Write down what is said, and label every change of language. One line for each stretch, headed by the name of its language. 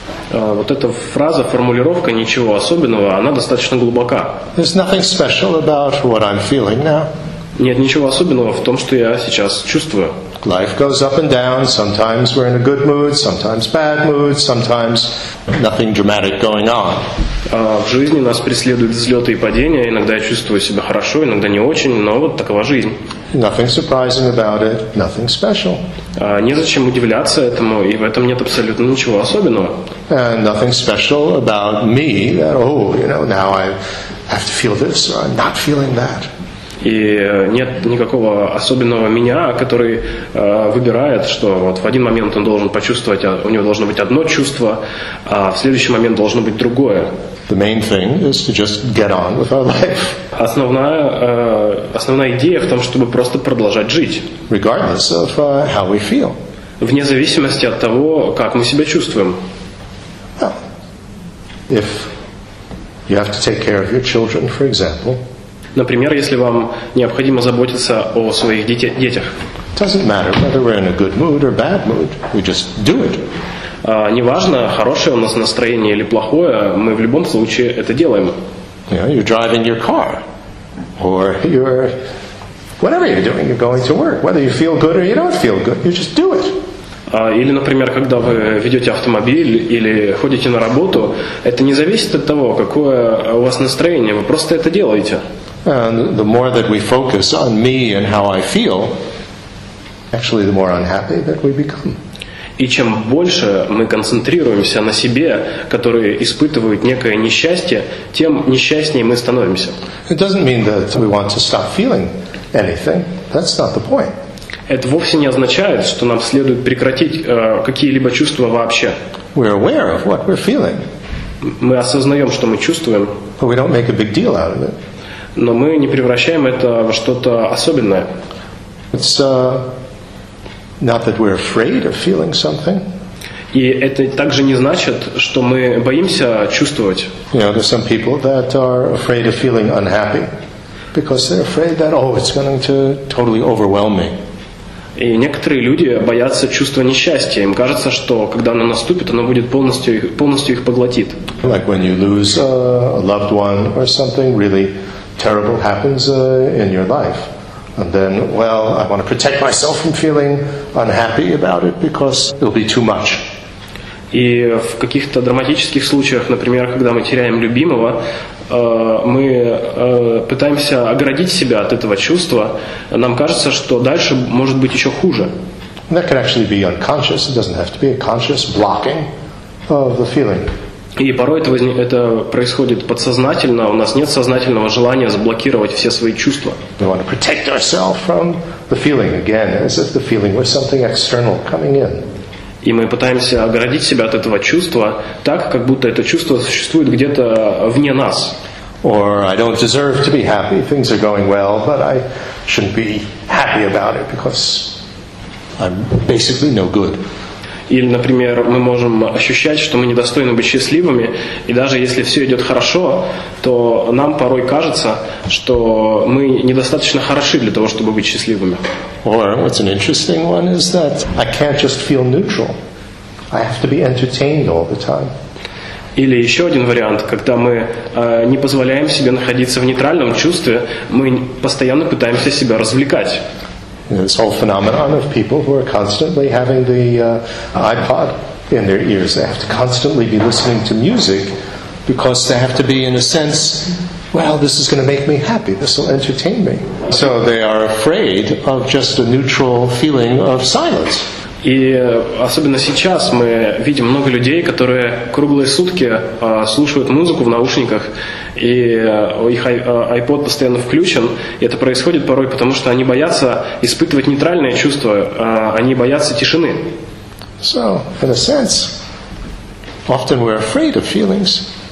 Russian: Вот эта фраза, формулировка ничего особенного, она достаточно глубока.
English: There's nothing special about what I'm feeling now.
Russian: Нет ничего особенного в том, что я сейчас чувствую.
English: Life goes up and down. Sometimes we're in a good mood, sometimes bad mood, sometimes nothing dramatic going on.
Russian: В жизни нас преследуют взлеты и падения. Иногда я чувствую себя хорошо, иногда не очень, но вот такова жизнь.
English: Nothing surprising about it, nothing special.
Russian: Незачем удивляться этому, и в этом нет абсолютно ничего особенного.
English: And nothing special about me, that, oh, you know, now I have to feel this, or I'm not feeling that.
Russian: И нет никакого особенного меня, который выбирает, что вот в один момент он должен почувствовать, у него должно быть одно чувство, а в следующий момент должно быть другое.
English: The main thing is to just get on with our life.
Russian: Основная идея в том, чтобы просто продолжать жить.
English: Regardless of how we feel.
Russian: Вне зависимости от того, как мы себя чувствуем.
English: Well, if you have to take care of your children, for example.
Russian: Например, если вам необходимо заботиться о своих детях.
English: Doesn't matter whether we're in a good mood or bad mood. We just do it.
Russian: Неважно, хорошее у нас настроение или плохое, мы в любом случае это делаем.
English: You know, you're driving your car. Or you're... Whatever you're doing, you're going to work. Whether you feel good or you don't feel good, you just do it.
Russian: Или, например, когда вы ведете автомобиль или ходите на работу, это не зависит от того, какое у вас настроение, вы просто это делаете.
English: And the more that we focus on me and how I feel, actually the more unhappy that we become.
Russian: И чем больше мы концентрируемся на себе, которые испытывают некое несчастье, тем несчастнее мы становимся.
English: It doesn't mean that we want to stop feeling anything. That's not the point.
Russian: Это вовсе не означает, что нам следует прекратить какие-либо чувства вообще.
English: We're aware of what we're feeling.
Russian: Мы осознаем, что мы чувствуем.
English: But we don't make a big deal out of it.
Russian: Но мы не превращаем это во что-то особенное.
English: It's not that we're afraid of feeling something.
Russian: И это также не значит, что мы боимся чувствовать.
English: You know, there's some people that are afraid of feeling unhappy because they're afraid that, oh, it's going to totally overwhelm me.
Russian: И некоторые люди боятся чувства несчастья. Им кажется, что когда оно наступит, оно будет полностью их поглотит.
English: Like when you lose a loved one or something really terrible happens in your life, and then, well, I want to protect myself from feeling unhappy about it because it'll be too much.
Russian: И в каких-то драматических случаях, например, когда мы теряем любимого, мы пытаемся оградить себя от этого чувства. Нам кажется, что дальше может быть еще хуже.
English: That can actually be unconscious. It doesn't have to be a conscious blocking of the feeling.
Russian: И порой это происходит подсознательно, у нас нет сознательного желания заблокировать все свои чувства.
English: We want to protect ourselves from the feeling again, as if the feeling were something external coming in.
Russian: И мы пытаемся оградить себя от этого чувства так, как будто это чувство существует где-то вне нас.
English: Or I don't deserve to be happy. Things are going well, but I shouldn't be happy about it because I'm basically no good.
Russian: Или, например, мы можем ощущать, что мы недостойны быть счастливыми, и даже если все идет хорошо, то нам порой кажется, что мы недостаточно хороши для того, чтобы быть счастливыми.
English: Or what's an interesting one is that I can't just feel neutral. I have to be entertained all the time.
Russian: Или еще один вариант, когда мы не позволяем себе находиться в нейтральном чувстве, мы постоянно пытаемся себя развлекать.
English: This whole phenomenon of people who are constantly having the iPod in their ears. They have to constantly be listening to music because they have to be, in a sense, well, this is going to make me happy. This will entertain me. So they are afraid of just a neutral feeling of silence.
Russian: И особенно сейчас мы видим много людей, которые круглые сутки слушают музыку в наушниках, и их iPod постоянно включен, и это происходит порой потому, что они боятся испытывать нейтральное чувство, они боятся тишины.
English: So, in a sense, often we're afraid of feelings.